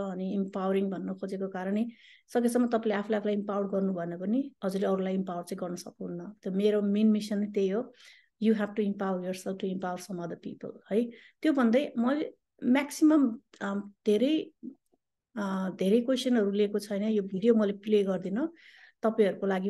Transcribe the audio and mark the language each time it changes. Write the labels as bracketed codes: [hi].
[ne] अनि इम्पावरिङ भन्न खोजेको कारण सकेसम्म तपाईँले आफूलाई इम्पावर्ड गर्नु भएन भने हजुरले अरूलाई इम्पावर चाहिँ गर्न सक्नुहुन्न। त्यो मेरो मेन मिसन त्यही हो, [en] you have to empower yourself to empower some other people [ne] है। त्यो भन्दै मैले म्याक्सिमम् धेरै क्वेसनहरू लिएको छैन, यो भिडियो मैले प्ले गर्दिनँ तपाईँहरूको लागि।